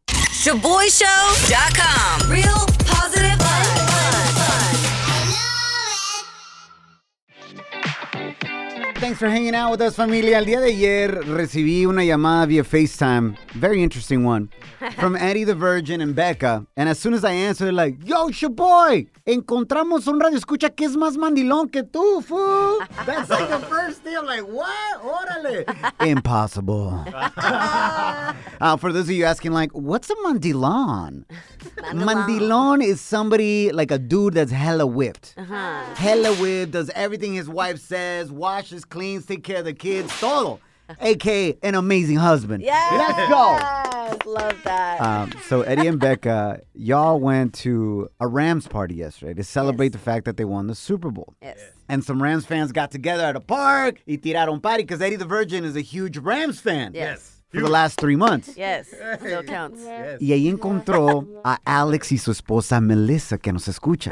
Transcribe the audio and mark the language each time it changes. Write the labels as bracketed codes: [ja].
[en] ShaboyShow.com. Real positive life. Thanks for hanging out with us, familia. [es] El día de ayer recibí una llamada [en] via FaceTime. Very interesting one. From Eddie the Virgin and Becca. And as soon as I answered, like, yo, it's your boy. [es] Encontramos un radio escucha que es más mandilón que tú, fool. [en] That's like the first thing. I'm like, what? Órale. Impossible. For those of you asking, like, what's a mandilón? Mandilón is somebody, like a dude that's hella whipped. Uh-huh. Hella whipped, does everything his wife says, washes, cleans, take care of the kids, todo. A.K.A. an amazing husband. Yes! Let's go! Yes, love that. So Eddie and Becca, y'all went to a Rams party yesterday to celebrate the fact that they won the Super Bowl. Yes. Yes. And some Rams fans got together at a park, [es] y tiraron party, [en] because Eddie the Virgin is a huge Rams fan. Yes. For the last 3 months. Yes, still counts. Yes. [es] Y ahí encontró a Alex y su esposa Melissa, que nos escucha.